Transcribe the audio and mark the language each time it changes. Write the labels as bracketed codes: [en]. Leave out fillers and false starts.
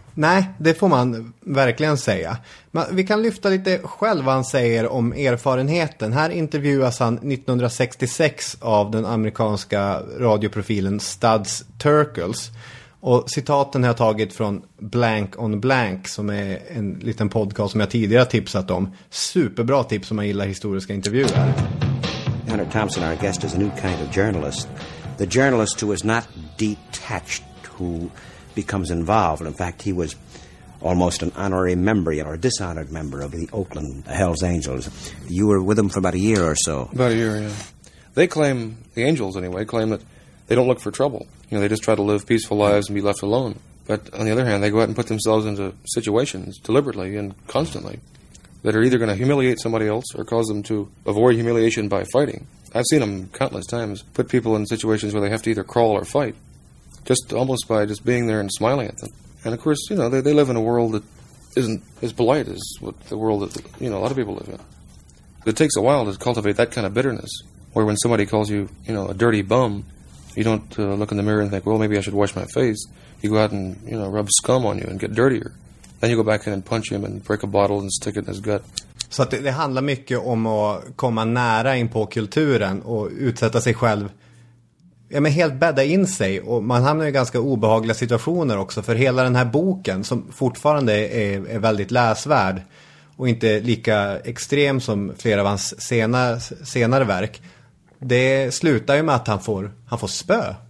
[sv] Nej, det får man verkligen säga. Men vi kan lyfta lite själv vad han säger om erfarenheten. Här intervjuas han 1966 av den amerikanska radioprofilen Studs Terkels. Och citaten har jag tagit från Blank on Blank, som är en liten podcast som jag tidigare tipsat om. Superbra tips om man gillar historiska intervjuer. [en] Hunter Thompson, our guest, is a new kind of journalist. The journalist who is not detached, who becomes involved. In fact, he was almost an honorary member, or a dishonored member, of the Oakland Hells Angels. You were with them for about a year or so. About a year, yeah. They claim, the Angels anyway, claim that they don't look for trouble. You know, they just try to live peaceful lives and be left alone. But on the other hand, they go out and put themselves into situations deliberately and constantly that are either going to humiliate somebody else or cause them to avoid humiliation by fighting. I've seen them countless times put people in situations where they have to either crawl or fight, just almost by just being there and smiling at them. And, of course, you know, they live in a world that isn't as polite as what the world that, you know, a lot of people live in. It takes a while to cultivate that kind of bitterness, where when somebody calls you, you know, a dirty bum, you don't look in the mirror and think, well, maybe I should wash my face. You go out and, you know, rub scum on you and get dirtier. Then you go back in and punch him and break a bottle and stick it in his gut. [sv] Så att det handlar mycket om att komma nära in på kulturen och utsätta sig själv. Ja, men helt bädda in sig, och man hamnar i ganska obehagliga situationer också. För hela den här boken, som fortfarande är väldigt läsvärd och inte lika extrem som flera av hans senare verk, det slutar ju med att han får spö.